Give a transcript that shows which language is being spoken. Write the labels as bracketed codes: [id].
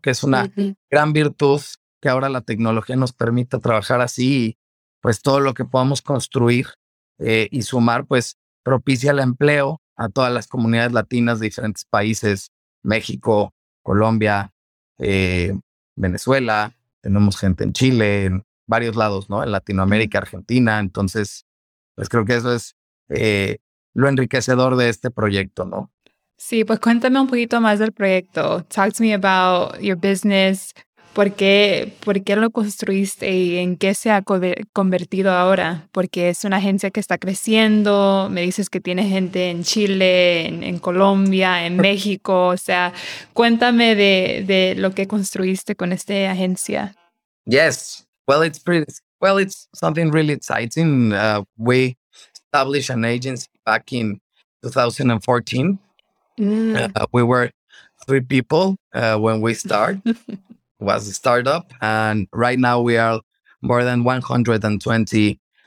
[es] Que es una gran virtud que ahora la tecnología nos permita trabajar así y pues todo lo que podamos construir y sumar, pues propicia el empleo a todas las comunidades latinas de diferentes países, México, Colombia, Venezuela, tenemos gente en Chile, en varios lados, ¿no? En Latinoamérica, Argentina, entonces, pues creo que eso es lo enriquecedor de este proyecto, ¿no? Sí, pues cuéntame un poquito más del proyecto. [en] Talk to me about your business. [es] ¿Por qué lo construiste y en qué se ha convertido ahora? Porque es una agencia que está creciendo. Me dices que tiene gente en Chile, en Colombia, en México. O sea, cuéntame de lo que construiste con esta agencia. [en] Yes. Well, it's something really exciting. We established an agency back in 2014. We were three people when we start. Was a startup, and right now we are more than 120